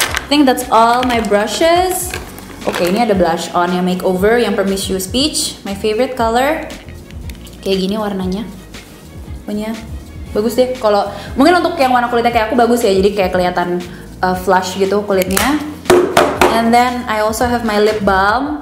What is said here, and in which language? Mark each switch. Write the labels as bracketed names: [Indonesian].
[English] I think that's all my brushes. [Indonesian] Oke, ini ada blush on yang makeover, yang Permiss You Speech. [English] My favorite color. [Indonesian] Kayak gini warnanya. Punya. Bagus deh. Kalau mungkin untuk yang warna kulitnya kayak aku bagus ya. Jadi kayak kelihatan flush gitu kulitnya. [English] And then I also have my lip balm.